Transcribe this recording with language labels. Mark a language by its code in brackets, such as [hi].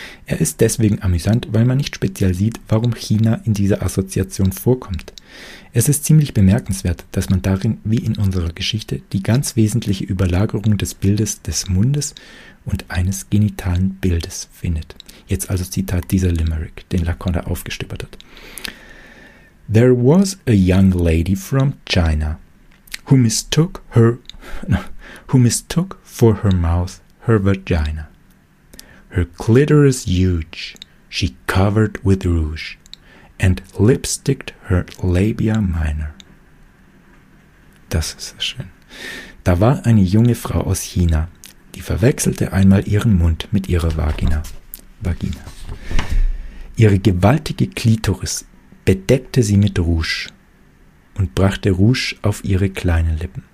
[de] Er ist deswegen amüsant, weil man nicht speziell sieht, warum China in dieser Assoziation vorkommt. Es ist ziemlich bemerkenswert, dass man darin, wie in unserer Geschichte, die ganz wesentliche Überlagerung des Bildes des Mundes und eines genitalen Bildes findet. Jetzt also Zitat dieser Limerick, den Lacan da aufgestöbert hat. [en] There was a young lady from China who mistook for her mouth her vagina. Her clitoris huge, she covered with rouge, and lipsticked her labia minor. [de] Das ist so schön. Da war eine junge Frau aus China, die verwechselte einmal ihren Mund mit ihrer Vagina. Ihre gewaltige Klitoris bedeckte sie mit Rouge und brachte Rouge auf ihre kleinen Lippen.